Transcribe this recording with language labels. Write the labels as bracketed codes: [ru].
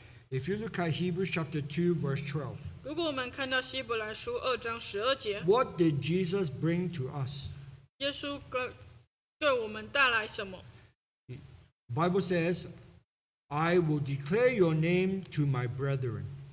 [en] If you look at Hebrews chapter 2, verse 12, [zh] 如果我们看到希伯来书2章12节, [en] what did Jesus bring to us? [zh] 耶稣对我们带来什么? [en] The Bible says, I will declare your name to my brethren.